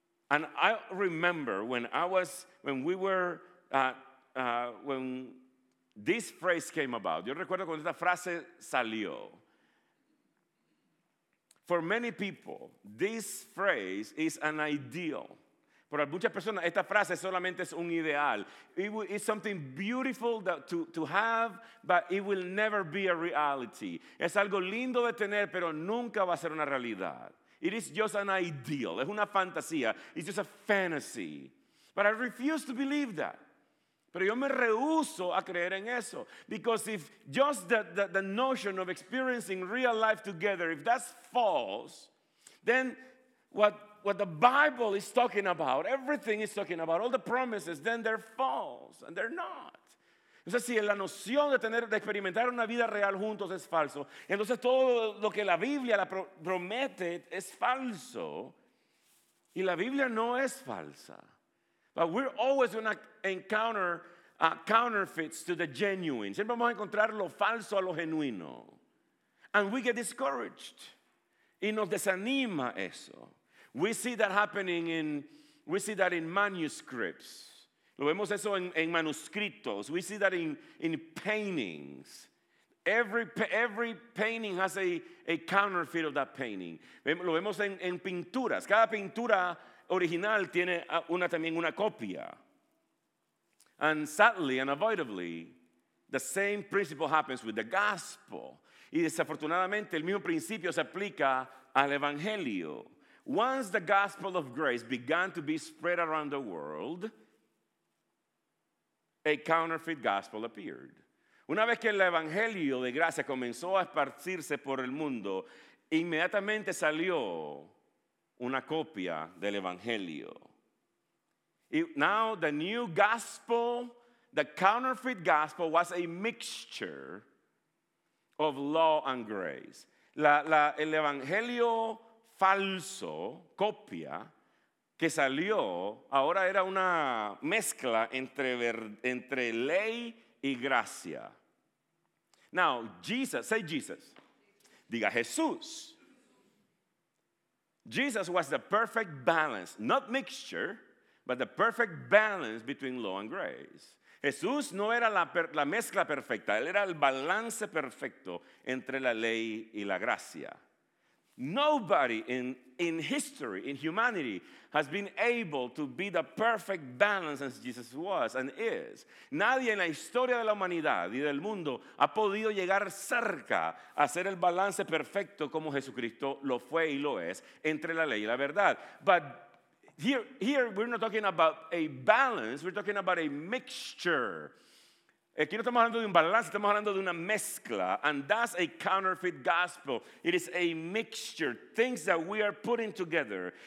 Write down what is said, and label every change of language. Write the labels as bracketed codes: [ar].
[en] And I remember when I was, when we were, when this phrase came about. [es] Yo recuerdo cuando esta frase salió. [en] For many people, this phrase is an ideal. [es] Para muchas personas, esta frase solamente es un ideal. [en] It's something beautiful to have, but it will never be a reality. [es] Es algo lindo de tener, pero nunca va a ser una realidad. [en] It is just an ideal. [es] Es una fantasía. [en] It's just a fantasy. But I refuse to believe that. [es] Pero yo me rehúso a creer en eso. [en] Because if just the notion of experiencing real life together, if that's false, then what the Bible is talking about, everything is talking about, all the promises, then they're false and they're not. [es] Entonces, si la noción de tener, de experimentar una vida real juntos es falso, entonces todo lo que la Biblia la promete es falso. Y la Biblia no es falsa. [en] But we're always going to encounter counterfeits to the genuine. [es] Siempre vamos a encontrar lo falso a lo genuino. [en] And we get discouraged. [es] Y nos desanima eso. [en] We see that happening in, we see that in manuscripts. [es] Lo vemos eso en manuscritos. [en] We see that in paintings. Every painting has a counterfeit of that painting. [es] Lo vemos en pinturas. Cada pintura original tiene una también una copia. [en] And sadly, unavoidably, the same principle happens with the gospel. [es] Y desafortunadamente, el mismo principio se aplica al evangelio. [en] Once the gospel of grace began to be spread around the world, a counterfeit gospel appeared. [es] Una vez que el evangelio de gracia comenzó a esparcirse por el mundo, inmediatamente salió una copia del evangelio. [en] Now the new gospel, the counterfeit gospel, was a mixture of law and grace. [es] El evangelio falso, copia, que salió, ahora era una mezcla entre ley y gracia. [en] Now, Jesus, say Jesus. [es] Diga Jesús. [en] Jesus was the perfect balance, not mixture, but the perfect balance between law and grace. [es] Jesús no era la mezcla perfecta, él era el balance perfecto entre la ley y la gracia. [en] Nobody in history, in humanity, has been able to be the perfect balance as Jesus was and is. [es] Nadie en la historia de la humanidad y del mundo ha podido llegar cerca a ser el balance perfecto como Jesucristo lo fue y lo es entre la ley y la verdad. [en] But here we're not talking about a balance, we're talking about a mixture. [es] Aquí no estamos hablando de un balance, estamos hablando de una mezcla. [en] And that's a counterfeit gospel. It is a mixture, things that we are putting together.